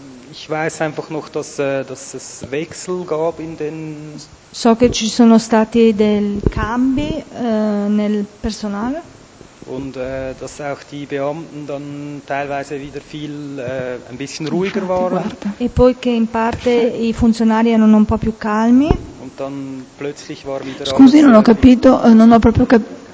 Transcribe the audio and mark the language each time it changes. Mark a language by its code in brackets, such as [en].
[de] Ich weiß einfach noch, dass es Wechsel gab in den. [it] So che ci sono stati dei cambi nel personale. [de] Und dass auch die Beamten dann teilweise wieder viel ein bisschen ruhiger waren. [it] E poi che in parte i funzionari erano un po' più calmi. [de] Und dann plötzlich war wieder. [it] Scusi, non ho capito, non ho proprio capito.